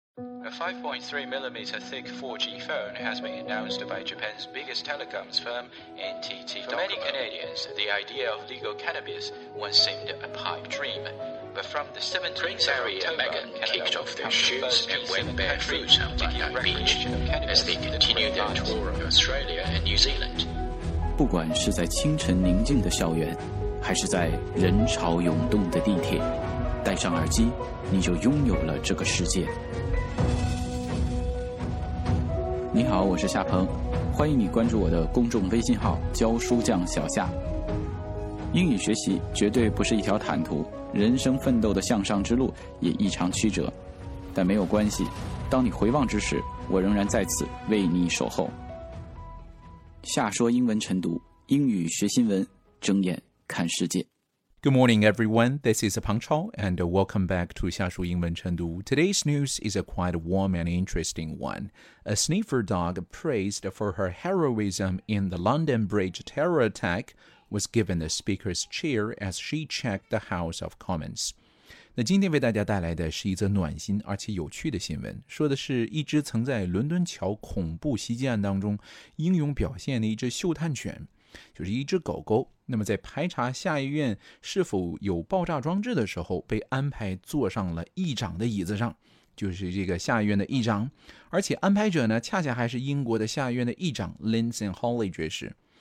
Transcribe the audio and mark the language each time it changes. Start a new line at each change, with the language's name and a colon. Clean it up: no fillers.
English: A 5.3mm thick 4G phone has been announced by Japan's biggest telecoms firm, NTT Docomo. For many Canadians, the idea of legal cannabis once seemed a pipe dream. But from the 17th of October, and Megan kicked off their shoes and went barefoot on Bondi Beach as they continued their tour of Australia and New Zealand.
Chinese: 不管是在清晨宁静的校园，还是在人潮涌动的地铁，戴上耳机，你就拥有了这个世界。你好，我是夏鹏，欢迎你关注我的公众微信号“教书匠小夏”。英语学习绝对不是一条坦途，人生奋斗的向上之路也异常曲折，但没有关系，当你回望之时，我仍然在此为你守候。夏说英文晨读，英语学新闻，睁眼看世界。
English: Good morning, everyone. This is Peng Chao, and welcome back to 夏说英文晨读. Today's news is a quite warm and interesting one. A sniffer dog praised for her heroism in the London Bridge terror attack was given the speaker's chair as she checked the House of Commons.
Chinese: 那今天为大家带来的是一则暖心而且有趣的新闻，说的是一只曾在伦敦桥恐怖袭击案当中英勇表现的一只嗅探犬，就是一只狗狗，那么在排查下议院是否有爆炸装置的时候，被安排坐上了议长的椅子上，就是这个下议院的议长，而且安排者呢，恰恰还是英国的下议院的议长 Lindsay Hawley 爵士。